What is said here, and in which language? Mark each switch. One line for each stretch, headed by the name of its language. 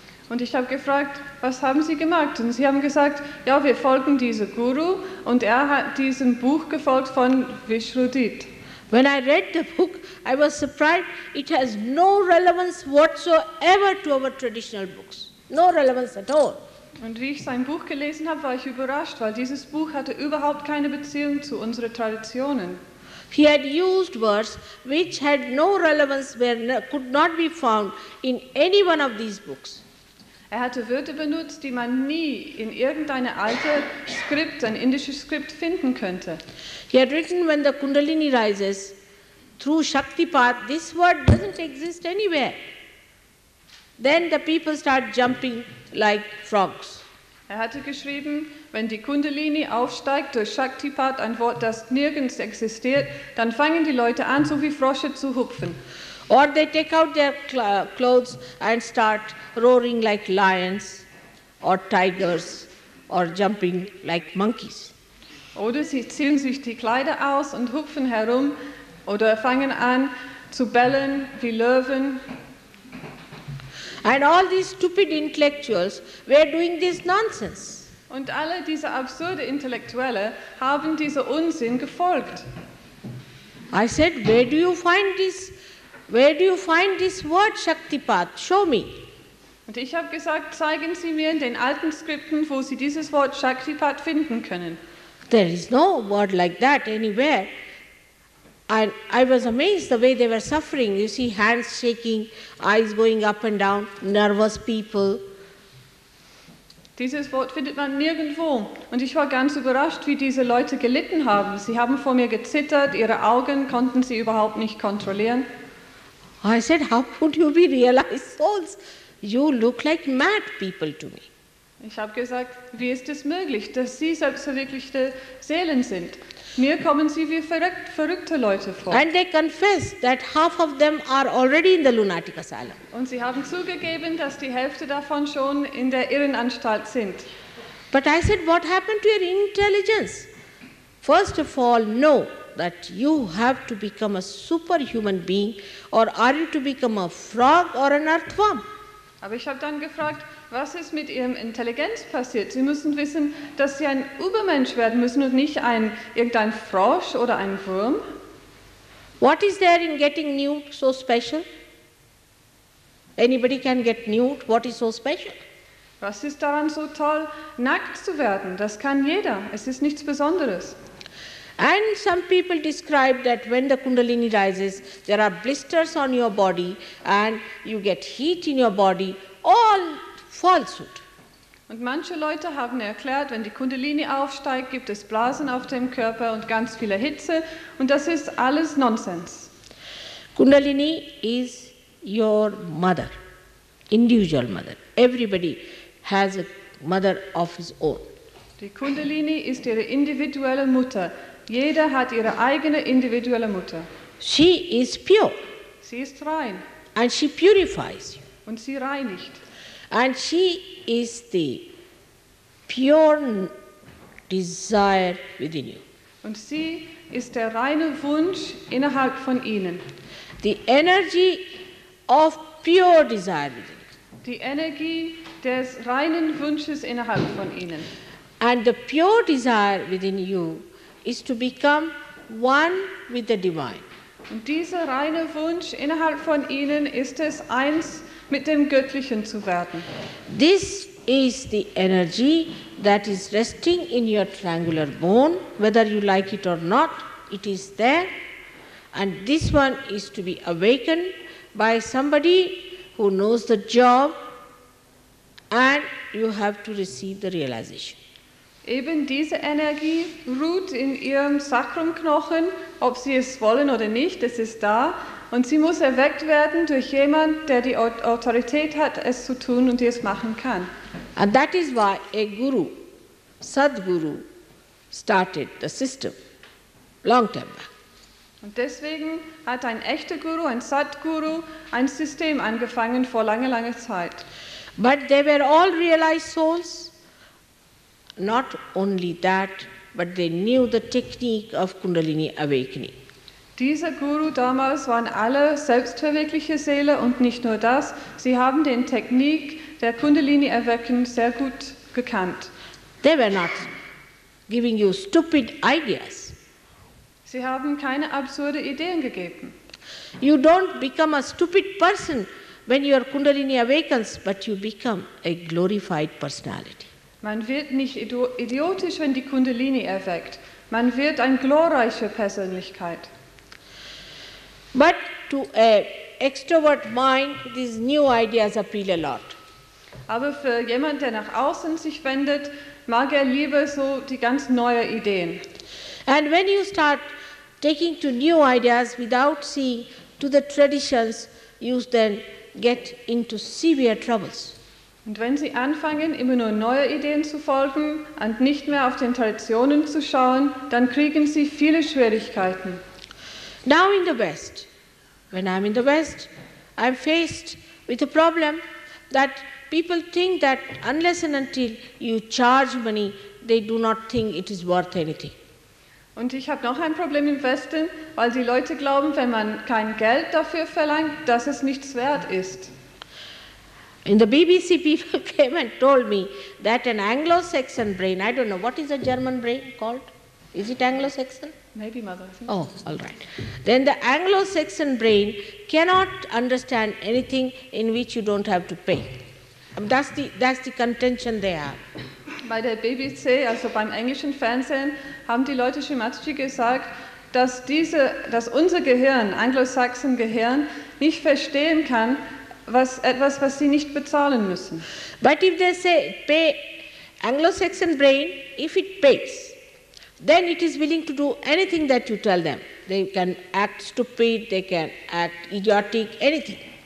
German: Und ich habe gefragt, was haben Sie gemacht? Und Sie haben gesagt, ja, wir folgen diesem Guru und er hat diesem Buch gefolgt von Vishnutirth.
English: When I read the book, I was surprised, it has no relevance whatsoever to our traditional books. No relevance at all.
German: Und wie ich sein Buch gelesen habe, war ich überrascht, weil dieses Buch hatte überhaupt keine Beziehung zu unseren Traditionen.
English: He had used words which had no relevance, could not be found in any one of these books.
German: Er hatte Wörter benutzt, die man nie in irgendeine alte Skript, ein indisches Skript finden könnte.
English: He had written, when the Kundalini rises through Shaktipath, this word doesn't exist anywhere. Then the people start jumping like frogs.
German: Er hatte geschrieben, wenn die Kundalini aufsteigt durch Shaktipath, ein Wort, das nirgends existiert, dann fangen die Leute an, so wie Frosche zu hupfen.
English: Or they take out their clothes and start roaring like lions or tigers or jumping like monkeys.
German: Oder sie ziehen sich die Kleider aus und hüpfen herum oder fangen an zu bellen wie Löwen.
English: And all these stupid intellectuals were doing this nonsense.
German: Und alle diese absurde Intellektuelle haben diese Unsinn gefolgt.
English: I said, where do you find this word Shaktipat? Show me.
German: Und ich habe gesagt, zeigen Sie mir in den alten Skripten, wo Sie dieses Wort Shaktipat finden können.
English: There is no word like that anywhere. And I was amazed the way they were suffering. You see, hands shaking, eyes going up and down, nervous people.
German: Dieses Wort findet man nirgendwo. Und ich war ganz überrascht, wie diese Leute gelitten haben. Sie haben vor mir gezittert, ihre Augen konnten sie überhaupt nicht kontrollieren.
English: I said, how could you be realized souls? You look like mad people to me.
German: Ich habe gesagt, wie ist es möglich, dass Sie selbst verwirklichte Seelen sind? Mir kommen Sie wie verrückte Leute vor.
English: And they confess that half of them are already in the lunatic asylum.
German: Und Sie haben zugegeben, dass die Hälfte davon schon in der Irrenanstalt sind.
English: But I said, what happened to your intelligence? First of all, know that you have to become a superhuman being, or are you to become a frog or an earthworm?
German: Aber ich habe dann gefragt, was ist mit Ihrem Intelligenz passiert? Sie müssen wissen, dass Sie ein Übermensch werden müssen und nicht irgendein Frosch oder ein Wurm.
English: What is there in getting nude so special? Anybody can get nude. What is so special?
German: Was ist daran so toll, nackt zu werden? Das kann jeder. Es ist nichts Besonderes.
English: And some people describe that when the Kundalini rises, there are blisters on your body and you get heat in your body. All falsehood.
German: Und manche Leute haben erklärt, wenn die Kundalini aufsteigt, gibt es Blasen auf dem Körper und ganz viele Hitze. Und das ist alles Nonsens.
English: Kundalini is your mother, individual mother. Everybody has a mother of his own.
German: Die Kundalini ist ihre individuelle Mutter. Jeder hat ihre eigene individuelle Mutter.
English: She is pure.
German: Sie ist rein.
English: And she purifies you.
German: Und sie reinigt.
English: And she is the pure desire within you.
German: Und sie ist der reine Wunsch innerhalb von Ihnen.
English: The energy of pure desire within you.
German: Die Energie des reinen Wunsches innerhalb von Ihnen.
English: And the pure desire within you is to become one with the divine.
German: Und dieser reine Wunsch innerhalb von Ihnen ist es, eins mit dem Göttlichen zu werden.
English: This is the energy that is resting in your triangular bone, whether you like it or not, it is there. And this one is to be awakened by somebody who knows the job, and you have to receive the realization.
German: Eben diese Energie ruht in Ihrem Sacrumknochen, ob Sie es wollen oder nicht, es ist da. Und sie muss erweckt werden durch jemand, der die Autorität hat, es zu tun und die es machen kann.
English: And that is why a guru, Sadguru, started the system long time back.
German: Und deswegen hat ein echter Guru, ein Sadguru, ein System angefangen vor langer, langer Zeit.
English: But they were all realized souls. Not only that, but they knew the technique of Kundalini awakening.
German: Dieser Guru damals waren alle selbstverwirkliche Seele und nicht nur das, sie haben den Technik der Kundalini-Erwecken sehr gut gekannt.
English: They were not giving you stupid ideas.
German: Sie haben keine absurde Ideen gegeben.
English: You don't become a stupid person when your Kundalini awakens, but you become a glorified personality.
German: Man wird nicht idiotisch, wenn die Kundalini erweckt. Man wird eine glorreiche Persönlichkeit.
English: But to an extrovert mind, these new ideas appeal a lot.
German: Aber für jemand, der nach außen sich wendet, mag er lieber so die ganz neue Ideen.
English: And when you start taking to new ideas without seeing to the traditions, you then get into severe troubles.
German: Und wenn Sie anfangen, immer nur neue Ideen zu folgen und nicht mehr auf den Traditionen zu schauen, dann kriegen Sie viele Schwierigkeiten.
English: Now in the West, when I'm in the West, I'm faced with a problem that people think that unless and until you charge money, they do not think it is worth anything.
German: Und ich habe noch ein Problem im Westen, weil die Leute glauben, wenn man kein Geld dafür verlangt, dass es nichts wert ist.
English: In the BBC, people came and told me that an Anglo-Saxon brain, I don't know, what is a German brain called? Is it Anglo-Saxon? Maybe, Mother. Oh, all right. Then the Anglo-Saxon brain cannot understand anything in which you don't have to pay. That's the contention they have.
German: Bei der BBC, also beim englischen Fernsehen, haben die Leute Shimatsuji gesagt, dass unser Gehirn, Anglo-Saxon Gehirn, nicht verstehen kann, was etwas, was sie nicht bezahlen müssen.
English: But if they say, pay, Anglo-Saxon brain, if it pays, then it is willing to do anything that you tell them. They can act stupid, they can act idiotic, anything.